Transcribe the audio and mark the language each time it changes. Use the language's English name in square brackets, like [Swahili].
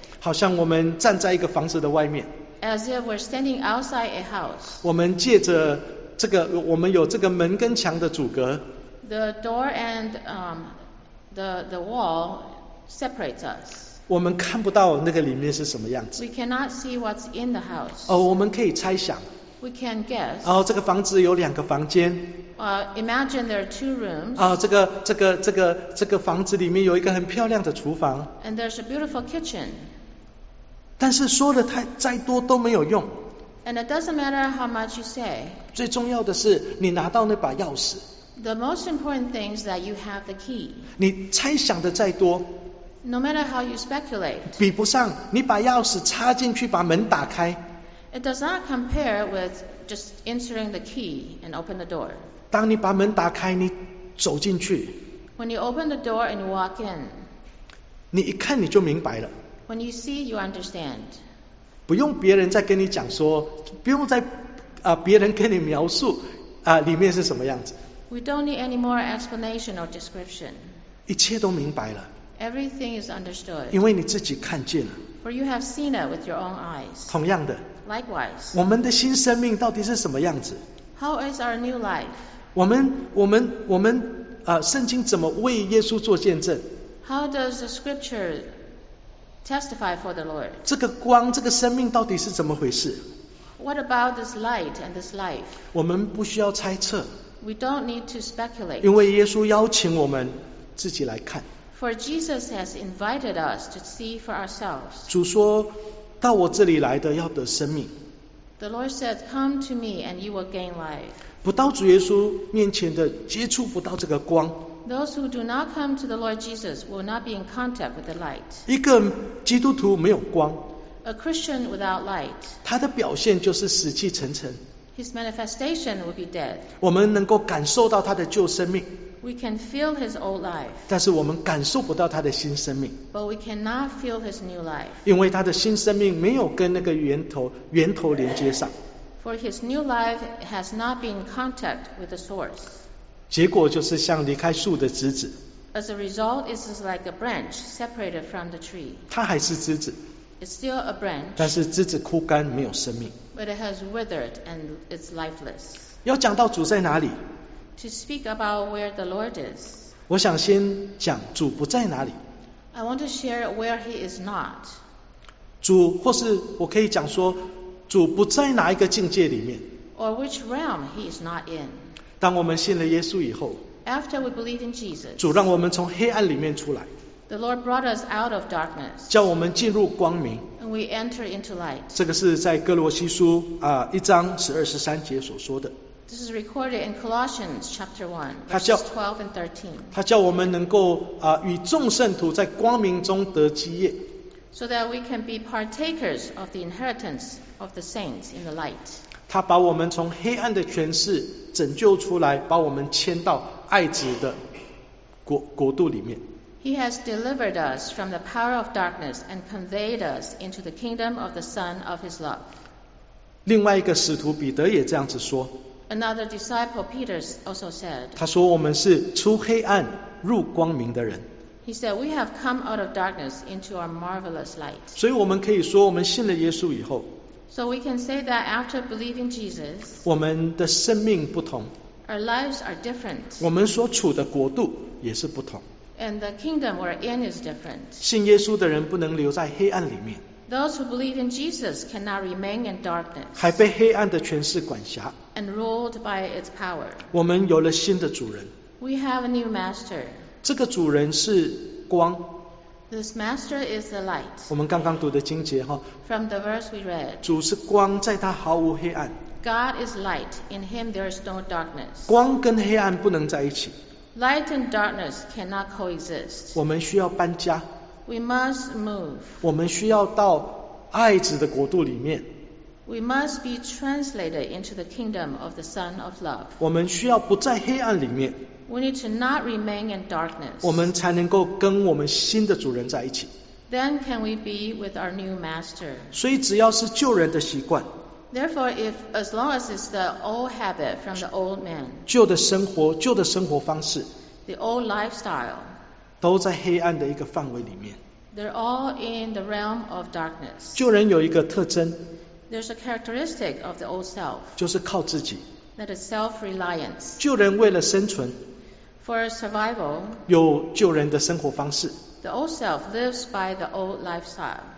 [Chinese] 好像我们站在一个房子的外面。 [English] As if we're standing outside a house. [Chinese] 我们借着这个，我们有这个门跟墙的阻隔。 [English] The door and the wall separates us. [Chinese] 我们看不到那个里面是什么样子。 [English] We cannot see what's in the house. [Chinese] 哦，我们可以猜想。 [English] We can guess. [Chinese] 哦，这个房子有两个房间。 [English] Imagine there are two rooms. [Chinese] 哦，这个房子里面有一个很漂亮的厨房。 [English] And there's a beautiful kitchen. [Chinese] 但是说的再多都没有用。 [English] And it doesn't matter how much you say. [Chinese] 最重要的是你拿到那把钥匙。 [English] The most important thing is that you have the key. [Chinese] 你猜想的再多。 [English] No matter how you speculate. [Chinese] 比不上你把钥匙插进去把门打开。 [English] It does not compare with just entering the key and open the door. [Chinese] 当你把门打开，你走进去。 [English] When you open the door and you walk in. [Chinese] 你一看你就明白了。 [English] When you see, you understand. [Chinese] 不用别人再跟你讲说，不用再别人跟你描述里面是什么样子。 [English] We don't need any more explanation or description. [Chinese] 一切都明白了。 [English] Everything is understood. [Chinese] 因为你自己看见了。 [English] For you have seen it with your own eyes. [Chinese] 同样的。 [English] Likewise. [Chinese] 我们的新生命到底是什么样子？ [English] How is our new life? [Chinese] 我们圣经怎么为耶稣做见证？ [English] How does the scripture testify for the Lord? [Chinese] 这个光，这个生命到底是怎么回事？ [English] What about this light and this life? [Chinese] 我们不需要猜测。 [English] We don't need to speculate. [Chinese] 因为耶稣邀请我们自己来看。 [English] For Jesus has invited us to see for ourselves. [Chinese] 主说，到我这里来的要得生命。 [English] The Lord said, "Come to me, and you will gain life." [Chinese] 不到主耶稣面前的，接触不到这个光。 [English] Those who do not come to the Lord Jesus will not be in contact with the light. [Chinese] 一个基督徒没有光。 [English] A Christian without light. [Chinese] 他的表现就是死气沉沉。 [English] His manifestation will be dead. [Chinese] 我们能够感受到他的旧生命。 [English] We can feel his old life. [Chinese] 但是我们感受不到他的新生命。 [English] But we cannot feel his new life. [Chinese] 因为他的新生命没有跟那个源头连接上。 [English] For his new life has not been in contact with the source. [Chinese] 结果就是像离开树的枝子。 [English] As a result, it is like a branch separated from the tree. [Chinese] 他还是枝子。 [English] It's still a branch. [Chinese] 但是枝子枯干，没有生命。 [English] But it has withered and it's lifeless. [Chinese] 要讲到主在哪里？ [English] To speak about where the Lord is. [Chinese] 我想先讲主不在哪里。 [English] I want to share where he is not. [Chinese] 主，或是我可以讲说，主不在哪一个境界里面。 [English] Or which realm he is not in. [Chinese] 当我们信了耶稣以后。 [English] After we believe in Jesus. [Chinese] 主让我们从黑暗里面出来。 [English] The Lord brought us out of darkness. [Chinese] 叫我们进入光明。 [English] And we enter into light. [Chinese] 这个是在哥罗西书一章十二十三节所说的。 [English] This is recorded in Colossians chapter 1, verses 12 and 13. [Chinese] 他叫我们能够与众圣徒在光明中得基业。 [English] So that we can be partakers of the inheritance of the saints in the light. [Chinese] 他把我们从黑暗的权势拯救出来，把我们迁到爱子的国度里面。 [English] He has delivered us from the power of darkness and conveyed us into the kingdom of the Son of His love. [Chinese] 另外一个使徒彼得也这样子说。 [English] Another disciple, Peter, also said, [Chinese] 他说我们是出黑暗入光明的人。 [English] He said, we have come out of darkness into our marvelous light. [Chinese] 所以我们可以说我们信了耶稣以后。 [English] So we can say that after believing Jesus, [Chinese] 我们的生命不同。 [English] Our lives are different. [Chinese] 我们所处的国度也是不同。 [English] And the kingdom we're in is different. [Chinese] 信耶稣的人不能留在黑暗里面。 [English] Those who believe in Jesus cannot remain in darkness. [Chinese] 还被黑暗的权势管辖。 [English] And ruled by its power. [Chinese] 我们有了新的主人。 [English] We have a new master. [Chinese] 这个主人是光。 [English] This master is the light. [Chinese] 我们刚刚读的经节哈。 [English] From the verse we read. [Chinese] 主是光，在他毫无黑暗。 [English] God is light. In him there is no darkness. [Chinese] 光跟黑暗不能在一起。 [English] Light and darkness cannot coexist. [Chinese] 我们需要搬家。 [English] We must move. [Chinese] 我们需要到爱子的国度里面。 [English] We must be translated into the kingdom of the Son of Love. [Chinese] 我们需要不在黑暗里面。 [English] We need to not remain in darkness. [Chinese] 我们才能够跟我们新的主人在一起。 [English] Then can we be with our new master? [Chinese] 所以只要是旧人的习惯。 [English] Therefore, if as long as it's the old habit from the old man. [Chinese] 旧的生活方式。 [English] The old lifestyle. [Chinese] 都在黑暗的一个范围里面。 [English] They're all in the realm of darkness. [Chinese] 旧人有一个特征。 [English] There's a characteristic of the old self. [Chinese] 就是靠自己。 [English] That is self-reliance. [Chinese] 旧人为了生存。 [English] For survival. [Chinese] 有旧人的生活方式。 [English] The old self lives by the old lifestyle.